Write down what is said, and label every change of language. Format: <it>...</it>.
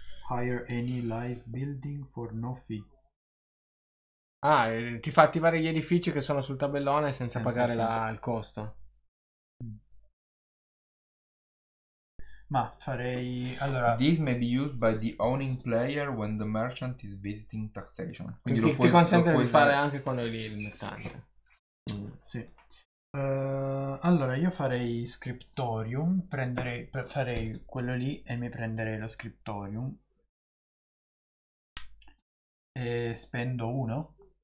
<en>Hire any live building for no fee.</en> <it>Ah, ti fa attivare gli edifici che sono sul tabellone senza pagare il costo. Ma farei allora.</it> <en>This may be used by the owning player when the merchant is visiting taxation.</en> <it>Quindi lo puoi, ti consente lo puoi di fare anche quando è lì il mercante. Sì. Allora io farei scriptorium, farei quello lì e mi prenderei lo scriptorium. E spendo uno.</it>